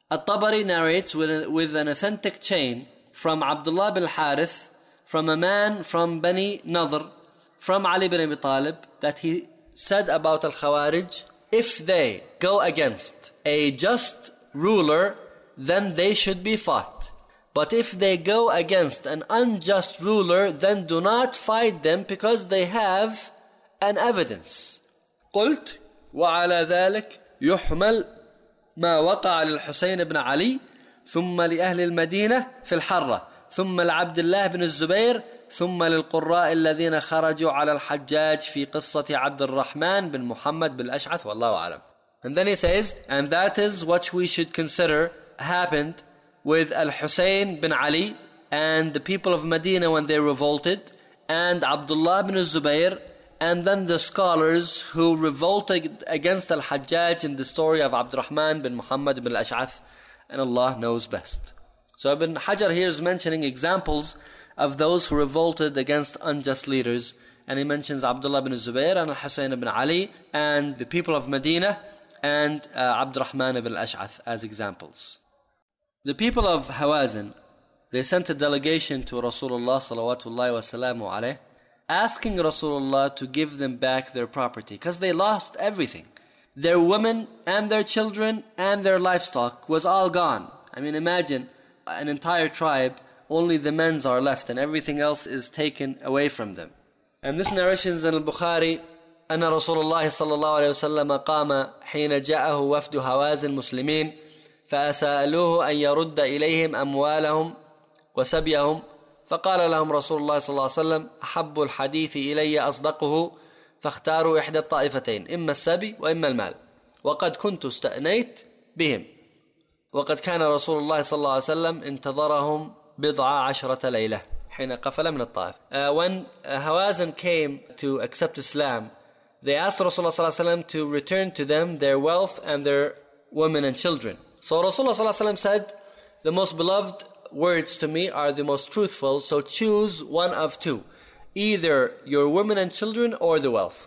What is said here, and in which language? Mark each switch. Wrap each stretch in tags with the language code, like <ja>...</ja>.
<en>الطَّبَرِي narrates with an authentic chain from Abdullah bin Harith, from a man from Bani Nadr, from Ali bin Abi Talib, that he said about al-Khawarij, if they go against a just ruler, then they should be fought. But if they go against an unjust ruler, then do not fight them because they have an evidence.</en> <ar>قلت وعلى ذلك يحمل ما وقع للحسين بن علي ثم لأهل المدينة في الحرة ثم لعبد الله بن الزبير ثم للقراء الذين خرجوا على الحجاج في قصة عبد الرحمن بن محمد بالأشعث والله أعلم.</ar> <en>And then he says, and that is what we should consider happened with Al-Husayn bin Ali and the people of Medina when they revolted, and Abdullah bin Zubair, and then the scholars who revolted against Al-Hajjaj in the story of Abd al-Rahman bin Muhammad bin al-Ash'ath, and Allah knows best. So Ibn Hajar here is mentioning examples of those who revolted against unjust leaders, and he mentions Abdullah bin Zubair and Al-Husayn bin Ali and the people of Medina and Abd al-Rahman bin al-Ash'ath as examples. The people of Hawazin, they sent a delegation to Rasulullah salawatullahi wa salamu alayh, asking Rasulullah to give them back their property, because they lost everything. Their women and their children and their livestock was all gone. I mean, imagine an entire tribe, only the men's are left and everything else is taken away from them. And this narration is in al-Bukhari,</en> <ar>أن رسول الله صلى الله عليه وسلم قام حين جاءه وفد هواز المسلمين فأسألوه أن يرد إليهم أموالهم وسبيهم فقال لهم رسول الله صلى الله عليه وسلم أحب الحديث إلي أصدقه فاختاروا إحدى الطائفتين إما السبي وإما المال وقد كنت استأنيت بهم وقد كان رسول الله صلى الله عليه وسلم انتظرهم بضع عشرة ليلة حين قفل من الطائف.</ar> <en>When Hawazin came to accept Islam, they asked Rasulullah صلى الله عليه وسلم to return to them their wealth and their women and children. So Rasulullah صلى الله عليه وسلم said, the most beloved words to me are the most truthful, so choose one of two, either your women and children or the wealth.</en>